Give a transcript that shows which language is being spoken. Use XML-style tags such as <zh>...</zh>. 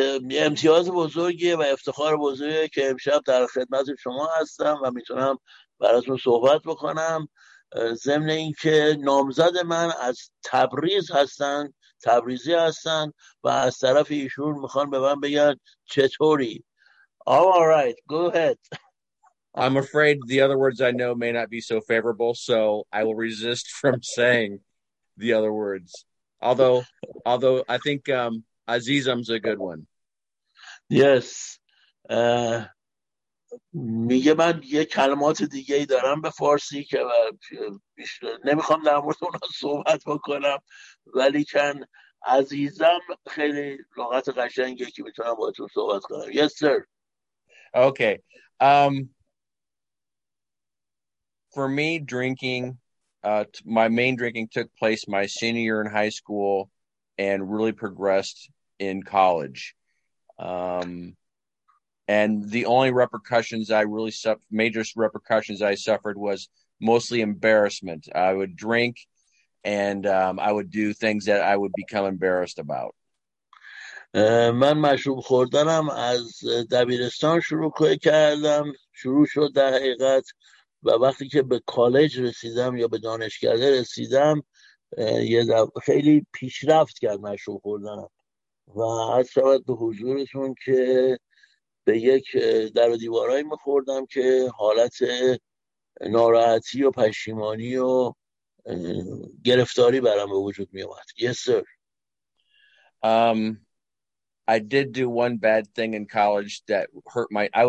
<fa>امتیاز بزرگیه و افتخار بزرگیه که امشب در خدمت شما هستم و میتونم براتون صحبت بکنم، ضمن اینکه نامزد من از تبریز هستن، تبریزی هستن و از طرف ایشون میخوان به من بگن چطوری.</fa> <en>All right, go ahead. I'm afraid the other words I know may not be so favorable, so I will resist from saying the other words. Although I think Azizam's a good one. Yes.</en> <fa>میگه من یه کلمات دیگه ای دارم به فارسی که نمیخوام در مورد اونا صحبت بکنم، ولی کن عزیزم خیلی لغت قشنگه که میتونم با تو صحبت کنم.</fa> <en>Yes, sir. Okay. For me, drinking, my main drinking took place my senior year in high school and really progressed in college. And the only repercussions I really suffered, major repercussions I suffered, was mostly embarrassment. I would drink and I would do things that I would become embarrassed about.</en> <fa>من مشروب خوردنم از دبیرستان شروع کردم، شروع شد در حقیقت، و وقتی که به کالج رسیدم یا به دانشگاه رسیدم یه خیلی پیشرفت کرد مشروب خوردنم، و هر شبت به حضورتون که به یک در و دیوارهایی میخوردم که حالت ناراحتی و پشیمانی و گرفتاری برام به وجود میومد.</fa> <en>Yes, sir. I did do one bad thing in college that hurt my.</en>